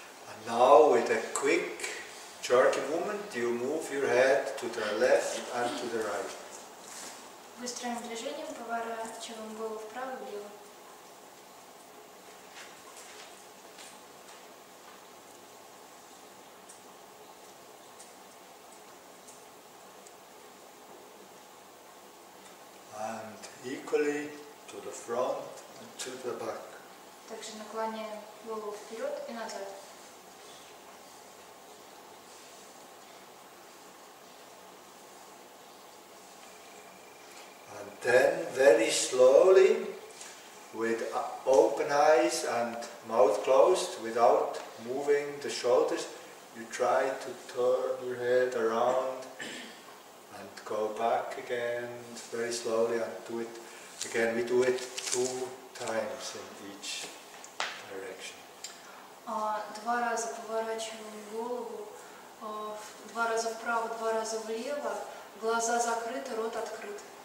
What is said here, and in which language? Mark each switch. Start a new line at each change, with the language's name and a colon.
English: And now, with a quick jerky movement, you move your head to the left and to the right.
Russian: Быстрым движением поворачиваем голову вправо, влево.
English: And equally to the front and to the back.
Russian: Также наклоняем голову вперед и назад.
English: And then very slowly, with open eyes and mouth closed, without moving the shoulders, you try to turn your head around and go back again very slowly and do it again. We do it two times in each direction.
Russian: Два раза поворачиваем голову, два раза вправо, два раза влево, глаза закрыты, рот открыт.